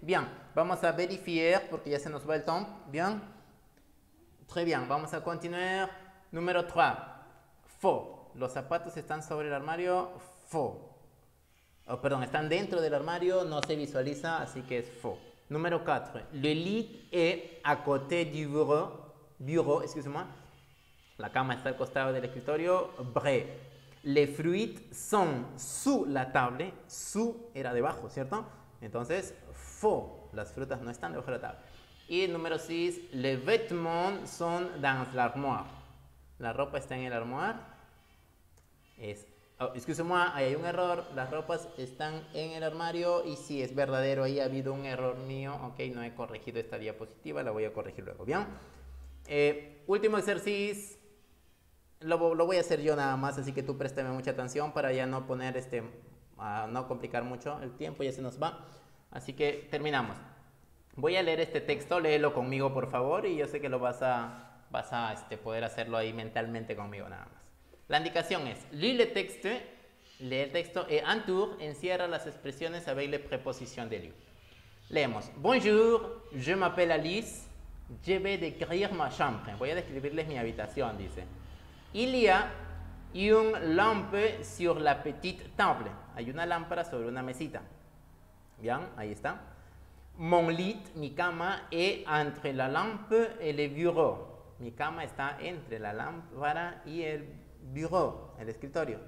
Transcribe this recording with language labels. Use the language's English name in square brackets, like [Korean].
[Spanish] Bien, vamos a verificar porque ya se nos va el tiempo. Bien. [French] Très bien, [Spanish] vamos a continuar. Número 3. Faux. Los zapatos están sobre el armario. Faux. Oh, perdón, están dentro del armario, no se visualiza, así que es faux. Número 4. [French] Le lit est à côté du bureau. Bureau, excusez-moi. [Spanish] La cama está al costado del escritorio. Bré. [French] Les fruits sont sous la table. [Spanish] Sous era debajo, ¿cierto? Entonces, faux. Las frutas no están debajo de la table. Y número 6. [French] Les vêtements sont dans l'armoire. [Spanish] La ropa está en el armoire. Es, oh, [French] excusez-moi, [Spanish] ahí hay un error. Las ropas están en el armario. Y sí, es verdadero. Ahí ha habido un error mío. Ok, no he corregido esta diapositiva. La voy a corregir luego, ¿bien? Último ejercicio. Lo voy a hacer yo nada más, así que tú préstame mucha atención para ya no poner a no complicar mucho, el tiempo ya se nos va. Así que terminamos. Voy a leer este texto, léelo conmigo por favor, y yo sé que lo vas a poder hacerlo ahí mentalmente conmigo nada más. La indicación es, lee el texto, et entour encierra las expresiones [French] avec les prepositions de lui. Leemos, bonjour, je m'appelle Alice, je vais décrire ma chambre. [Spanish] Voy a describirles mi habitación, dice. [French] Il y a une lampe sur la petite table. [Spanish] Hay una lámpara sobre una mesita. Bien, ahí está. [French] Mon lit, [Spanish] mi cama, [French] est entre la lampe et le bureau. [Spanish] Mi cama está entre la lámpara y el bureau, el escritorio.